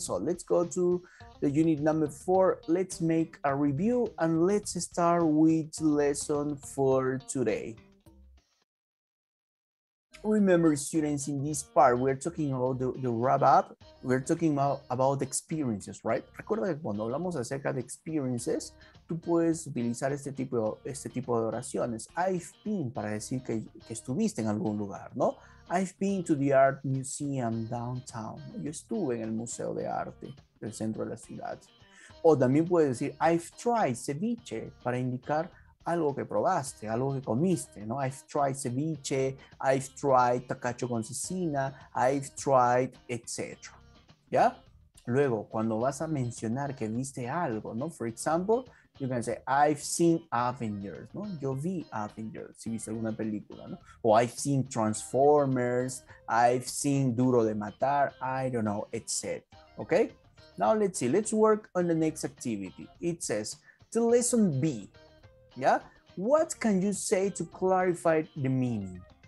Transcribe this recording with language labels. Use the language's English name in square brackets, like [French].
[English] So let's go to the unit number 4. Let's make a review and let's start with lesson for today. Remember, students, in this part, we're talking about the wrap-up. We're talking about experiences, right? [Spanish] Recuerda que cuando hablamos acerca de experiences, tú puedes utilizar este tipo de oraciones. [English] I've been, [Spanish] para decir que estuviste en algún lugar, ¿no? [English] I've been to the art museum downtown. [Spanish] Yo estuve en el museo de arte del centro de la ciudad. O también puedes decir, [English] I've tried ceviche, [Spanish] para indicar algo que probaste, algo que comiste, ¿no? [English] I've tried ceviche, I've tried tacacho con cecina, I've tried, etc. [Spanish] ¿Ya? Luego, cuando vas a mencionar que viste algo, ¿no? [English] For example, you can say, I've seen Avengers, [Spanish] ¿no? Yo vi Avengers, si viste alguna película, ¿no? [English] O I've seen Transformers, I've seen Duro de Matar, I don't know, etc. ¿Ok? Now, let's see. Let's work on the next activity. It says, to lesson B. Yeah, what can you say to clarify the meaning?